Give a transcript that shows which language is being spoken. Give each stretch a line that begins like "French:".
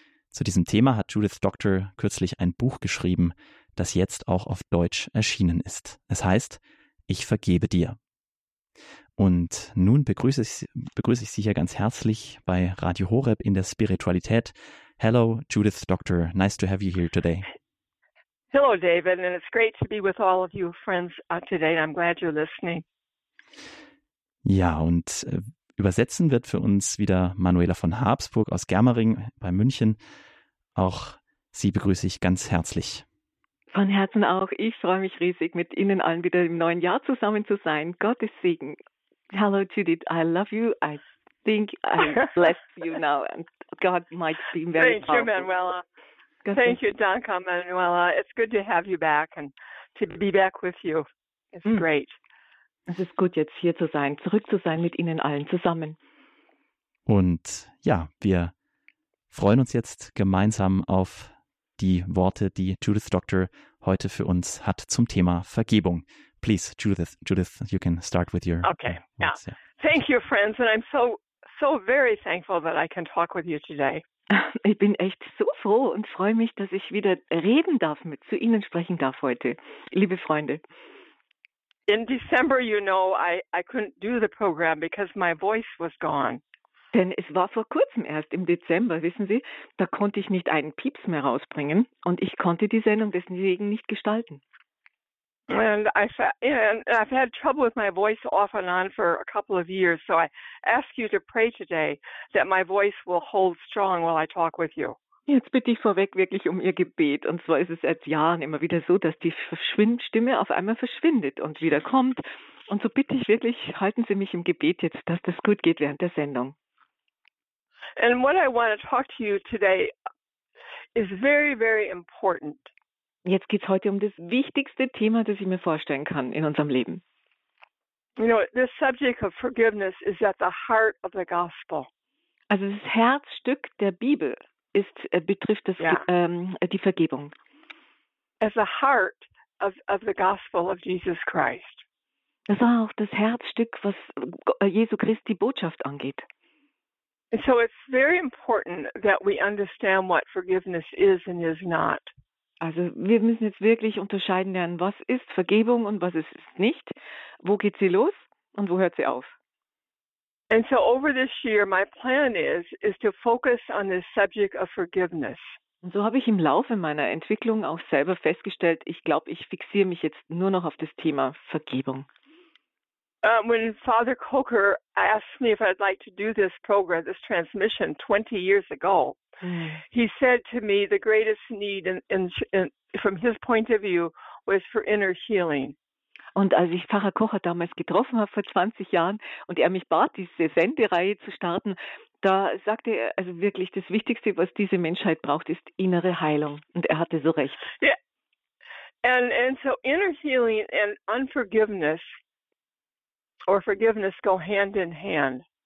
German: Zu diesem Thema hat Judith Doctor kürzlich ein Buch geschrieben, das jetzt auch auf Deutsch erschienen ist. Es heißt Ich vergebe dir. Und nun begrüße ich Sie hier ganz herzlich bei Radio Horeb in der Spiritualität.
English: Hello, Judith Doctor. Nice to have you here today. Hello, David. And it's great to be with all of you friends today. I'm glad you're listening.
German: Ja, und übersetzen wird für uns wieder Manuela von Habsburg aus Germering bei München. Auch Sie begrüße ich ganz herzlich. Von Herzen auch. Ich freue mich riesig, mit Ihnen allen wieder im neuen Jahr zusammen zu sein. Gottes Segen.
English: Hello, Judith. I love you. I think I bless you now. And God might be very powerful. Thank you, Manuela. Thank you, danke, Manuela. It's good to have you back and to be back with you. It's great.
German: Es ist gut, jetzt hier zu sein, zurück zu sein mit Ihnen allen zusammen. Und ja, wir freuen uns jetzt gemeinsam auf die Worte, die Judith Doctor heute für uns hat zum Thema Vergebung.
English: Please, Judith, you can start with your words. Yeah. Thank you, friends, and I'm so very thankful that I can talk with you today.
German: Ich bin echt so froh und freue mich, dass ich wieder reden darf, mit zu Ihnen sprechen darf heute, liebe Freunde.
English: In December, you know, I couldn't do the program because my voice was gone.
German: Denn es war vor kurzem erst im Dezember, wissen Sie, da konnte ich nicht einen Pieps mehr rausbringen und ich konnte die Sendung deswegen nicht gestalten.
English: And I've had trouble with my voice off and on for a couple of years, so I ask you to pray today that my voice will hold strong while I talk with you.
German: Jetzt bitte ich vorweg wirklich um Ihr Gebet. Und zwar ist es seit Jahren immer wieder so, dass die Stimme auf einmal verschwindet und wieder kommt. Und so bitte ich wirklich, halten Sie mich im Gebet jetzt, dass das gut geht während der Sendung.
English: And what I want to talk to you today is very, very important.
German: Jetzt geht's heute um das wichtigste Thema, das ich mir vorstellen kann in unserem Leben.
English: You know, the subject of forgiveness is at the heart of the gospel.
German: Also das Herzstück der Bibel betrifft das, die Vergebung.
English: At the heart of the gospel of Jesus Christ.
German: Das war auch das Herzstück, was Jesu Christi die Botschaft angeht.
English: So it's very important that we understand what forgiveness is and is not.
German: Also wir müssen jetzt wirklich unterscheiden lernen, was ist Vergebung und was ist es nicht? Wo geht sie los und wo hört sie auf?
English: And so over this year my plan is to focus on this subject of forgiveness.
German: Und so habe ich im Laufe meiner Entwicklung auch selber festgestellt, ich glaube, ich fixiere mich jetzt nur noch auf das Thema Vergebung.
English: When Father Coker asked me if I'd like to do this program, this transmission 20 years ago, he said to me the greatest need in from his point of view, was for inner healing.
German: Und als ich Pfarrer Kocher damals getroffen habe vor 20 Jahren und er mich bat, diese Sendereihe zu starten, da sagte er, also wirklich, das Wichtigste, was diese Menschheit braucht, ist innere Heilung. Und er hatte so recht.
English: Yeah. And so inner healing and unforgiveness or forgiveness go hand in hand.